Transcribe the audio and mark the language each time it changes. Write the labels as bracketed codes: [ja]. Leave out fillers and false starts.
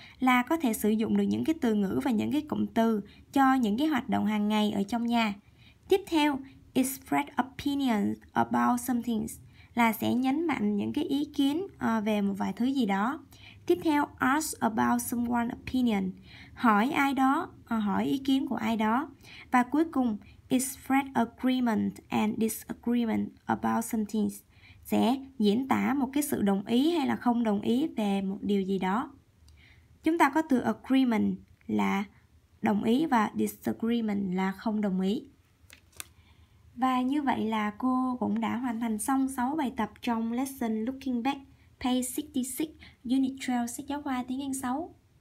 [vi] Là có thể sử dụng được những cái từ ngữ và những cái cụm từ cho những cái hoạt động hàng ngày ở trong nhà. Tiếp theo, [en] express opinions about some things, [vi] là sẽ nhấn mạnh những cái ý kiến về một vài thứ gì đó. Tiếp theo, [en] ask about someone's opinion. [vi] Hỏi ai đó, hỏi ý kiến của ai đó. [en] Và cuối cùng, express agreement and disagreement about something. [vi] Sẽ diễn tả một cái sự đồng ý hay là không đồng ý về một điều gì đó. Chúng ta có từ agreement là đồng ý và disagreement là không đồng ý. Và như vậy là cô cũng đã hoàn thành xong 6 bài tập trong lesson Looking Back, page 66, unit 12, sách giáo khoa tiếng Anh 6.